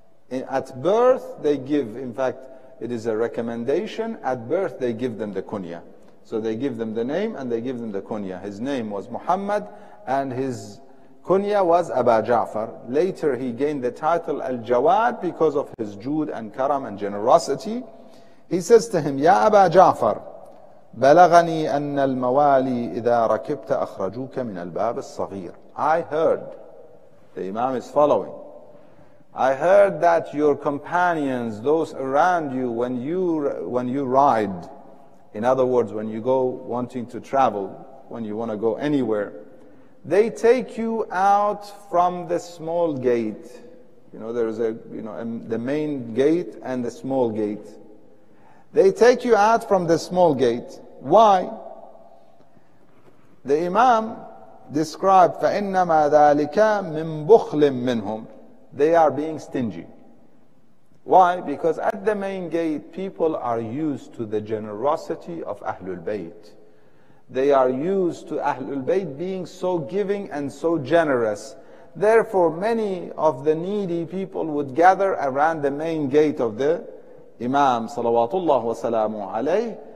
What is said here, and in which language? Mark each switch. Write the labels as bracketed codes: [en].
[en] At birth, they give, in fact, it is a recommendation, at birth they give them the kunya. So they give them the name and they give them the kunya. His name was Muhammad and his kunya was Aba Ja'far. Later he gained the title Al-Jawad because of his jood and karam and generosity. He says to him, Ya Aba Ja'far, [ar] بلغني أن الموالي إذا ركبت أخرجوك من الباب الصغير. [en] I heard, the Imam is following, I heard that your companions, those around you, when you ride, in other words, when you go wanting to travel, when you want to go anywhere, they take you out from the small gate. You know, there is the main gate and the small gate. They take you out from the small gate. Why? The Imam described, [ar] فَإِنَّمَا ذَلِكَ مِنْ بُخْلٍ مِّنْهُمْ. [en] They are being stingy. Why? Because at the main gate, people are used to the generosity of Ahlul Bayt. They are used to Ahlul Bayt being so giving and so generous. Therefore, many of the needy people would gather around the main gate of the Imam, salawatullah wa salamu alayhi.